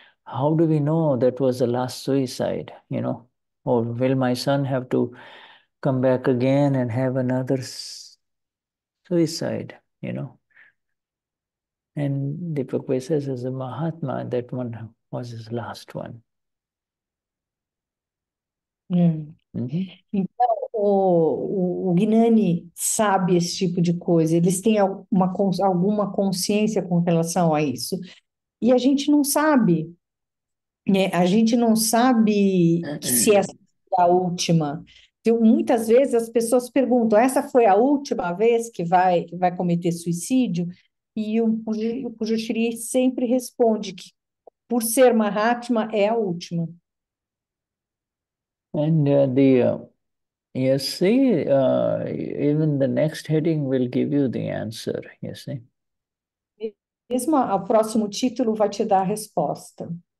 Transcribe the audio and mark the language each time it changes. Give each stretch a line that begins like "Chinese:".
English: How do we know that was the last suicide, you know? Or will my son have to come back again and have another suicide, you know? And the Prabhupada says as a Mahatma, that one was his last one.
Portuguese: Então, o Gnani sabe esse tipo de coisa, eles têm alguma consciência com relação a isso. E a gente não sabe, né? A gente não sabe se essa foi a última. Então, muitas vezes as pessoas perguntam, essa foi a última vez que vai cometer suicídio? E o Pujuchiri sempre responde que, por ser Mahatma, é a última.
English: And you see, even the next heading will give you the answer, you see.
Portuguese: Mesmo o próximo título vai te dar a resposta.